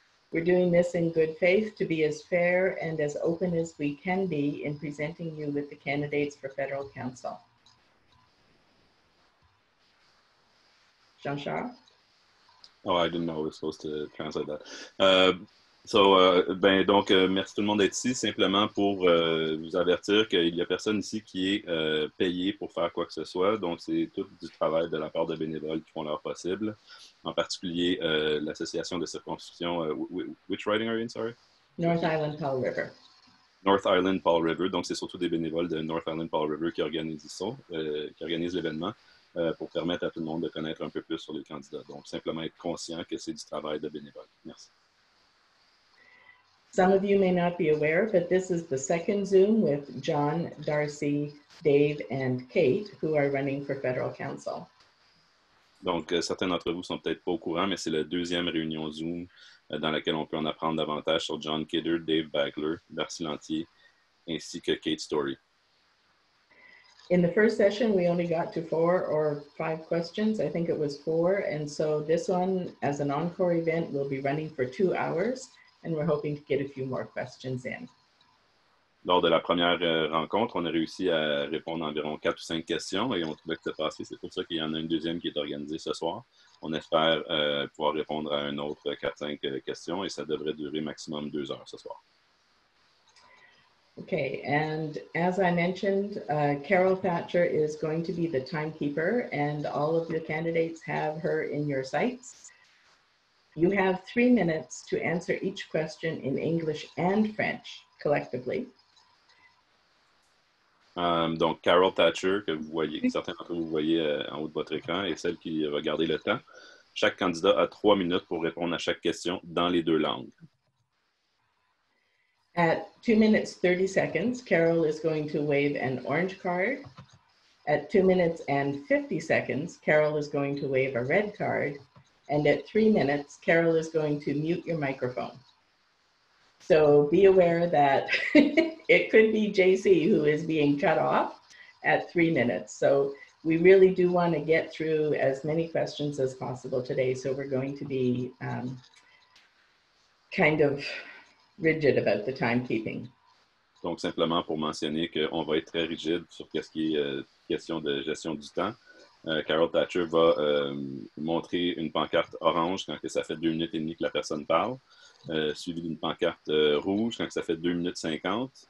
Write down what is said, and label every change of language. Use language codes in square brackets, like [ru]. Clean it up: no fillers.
[en] We're doing this in good faith to be as fair and as open as we can be in presenting you with the candidates for federal council. Jean-Charles? Oh, I didn't know we were supposed to translate that. [fr] Merci tout le monde d'être ici, simplement pour vous avertir qu'il n'y a personne ici qui est payé pour faire quoi que ce soit. Donc, c'est tout du travail de la part de bénévoles qui font leur possible, en particulier l'association de circonscription. [en] Which riding are you in, sorry? North Island Powell River. North Island Powell River. [fr] Donc, c'est surtout des bénévoles de North Island Powell River qui organisent l'événement pour permettre à tout le monde de connaître un peu plus sur les candidats. Donc, simplement être conscient que c'est du travail de bénévoles. Merci. [en] Some of you may not be aware, but this is the second Zoom with John, Darcy, Dave, and Kate, who are running for federal council. [fr] Donc, certains d'entre vous sont peut-être pas au courant, mais c'est la deuxième réunion Zoom dans laquelle on peut en apprendre davantage sur John Kidder, Dave Bagler, Darcy Lantier, ainsi que Kate Story. [en] In the first session, we only got to four or five questions. I think it was four. And so this one, as an encore event, will be running for 2 hours. And we're hoping to get a few more questions in. [fr] Lors de la première rencontre, on a réussi à répondre à environ 4 ou 5 questions et on trouvait que c'était passé. C'est pour ça qu'il y en a une deuxième qui est organisée ce soir. On espère pouvoir répondre à un autre 4-5 questions et ça devrait durer maximum 2 heures ce soir. [en] Okay, and as I mentioned, Carol Thatcher is going to be the timekeeper and all of the candidates have her in your sights. You have 3 minutes to answer each question in English and French, collectively. [fr] Donc, Carol Thatcher, que vous voyez, certains d'entre vous voyez en haut de votre écran, et celle qui va garder le temps. Chaque candidat a 3 minutes pour répondre à chaque question dans les deux langues. [en] At 2:30, Carol is going to wave an orange card. At 2:50, Carol is going to wave a red card. And at 3 minutes, Carol is going to mute your microphone. So be aware that it could be JC who is being cut off at 3 minutes. So we really do want to get through as many questions as possible today. So we're going to be kind of rigid about the timekeeping. [fr] Donc simplement pour mentionner qu'on va être très rigide sur qu'est-ce qui est question de gestion du temps. Carol Thatcher va montrer une pancarte orange quand que ça fait 2 minutes et demie que la personne parle, suivie d'une pancarte rouge quand que ça fait 2 minutes 50.